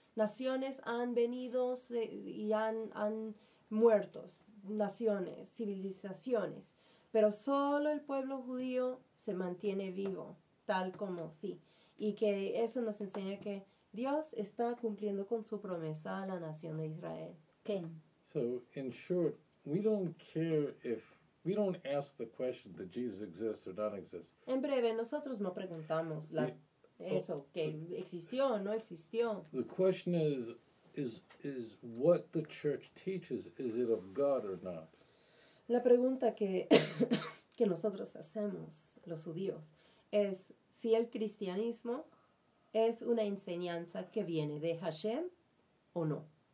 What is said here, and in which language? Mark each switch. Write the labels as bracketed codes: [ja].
[es] naciones han venido y han muerto, naciones, civilizaciones, pero solo el pueblo judío se mantiene vivo, tal como sí. Y que eso nos enseña que Dios está cumpliendo con su promesa a la nación de Israel. ¿Quién? [en] So, in short, we don't care if, we don't ask the question that Jesus exists or not exists. [es] En breve, nosotros no preguntamos la, eso, que existió o no existió. [en] The question is what the church teaches, is it of God or not? [es] La pregunta que, que nosotros hacemos, los judíos, es si el cristianismo es una enseñanza que viene de Hashem o no.